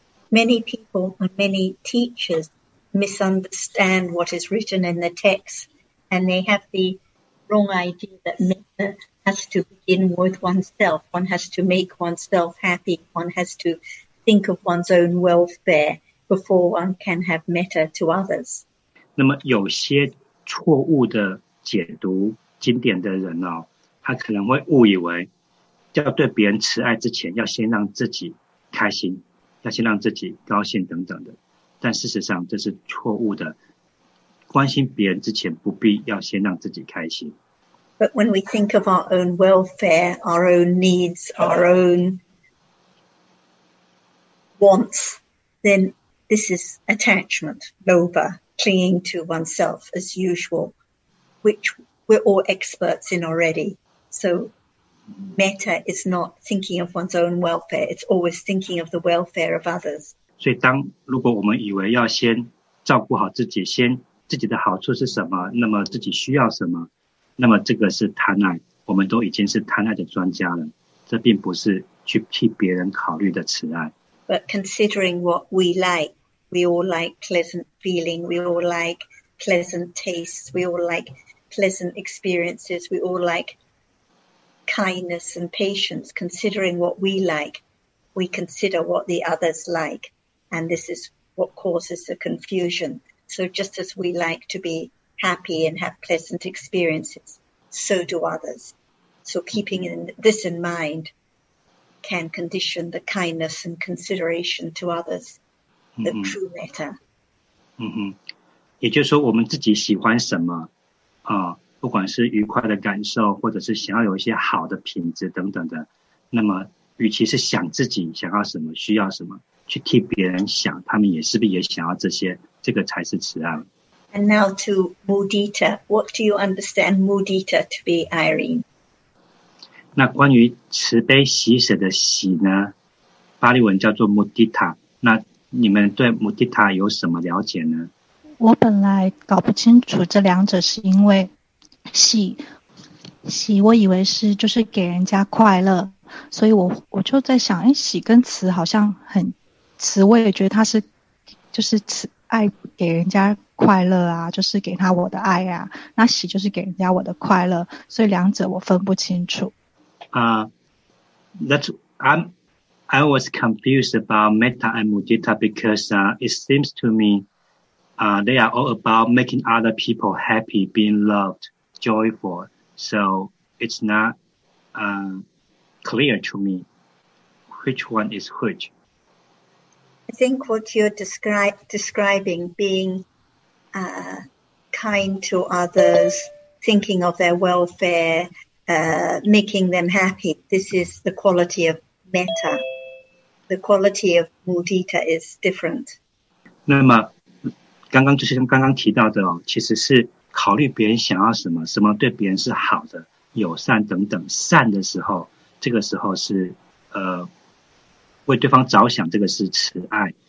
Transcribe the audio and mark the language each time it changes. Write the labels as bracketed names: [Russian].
[English] Many people and many teachers misunderstand what is written in the text, and they have the wrong idea that metta has to begin with oneself. One has to make oneself happy. One has to think of one's own welfare before one can have metta to others. [Chinese] 那么有些错误的解读经典的人哦，他可能会误以为要对别人慈爱之前要先让自己开心，要先让自己高兴等等的，但事实上这是错误的，关心别人之前不必要先让自己开心。 [English] But when we think of our own welfare, our own needs, our own wants, then this is attachment, lobha, clinging to oneself as usual, which we're all experts in already. So metta is not thinking of one's own welfare. It's always thinking of the welfare of others. [Chinese] 所以当如果我们以为要先照顾好自己，先自己的好处是什么，那么自己需要什么，那么这个是贪爱，我们都已经是贪爱的专家了，这并不是去替别人考虑的慈爱。 [English] But considering what we like,we all like pleasant feeling, we all like pleasant tastes, we all like pleasant experiences, we all like kindness and patience. Considering what we like, we consider what the others like, and this is what causes the confusion. So just as we like to be happy and have pleasant experiences, so do others. So keeping this in mind, can condition the kindness and consideration to others, the true metta. [Chinese] 也就是说我们自己喜欢什么、不管是愉快的感受或者是想要有一些好的品质等等的，那么与其是想自己想要什么需要什么，去替别人想，他们也是不是也想要这些，这个才是慈爱。 [English] And now to mudita. What do you understand mudita to be, Irene? [Chinese] 那关于慈悲喜舍的喜呢，巴利文叫做 mudita， 那你们对 mudita 有什么了解呢？我本来搞不清楚这两者，是因为喜喜我以为是就是给人家快乐，所以我就在想，哎，喜跟慈好像很慈，我也觉得它是就是慈爱给人家快乐啊，就是给他我的爱啊，那喜就是给人家我的快乐，所以两者我分不清楚。 [English] I was confused about metta and mudita because it seems to meThey are all about making other people happy, being loved, joyful. So it's not clear to me which one is which. I think what you're describing, being kind to others, thinking of their welfare, making them happy, this is the quality of metta. The quality of mudita is different. [Chinese] 那么刚刚就是刚刚提到的、哦、其实是考虑别人想要什么，什么对别人是好的、友善等等，善的时候，这个时候是为对方着想，这个是慈爱。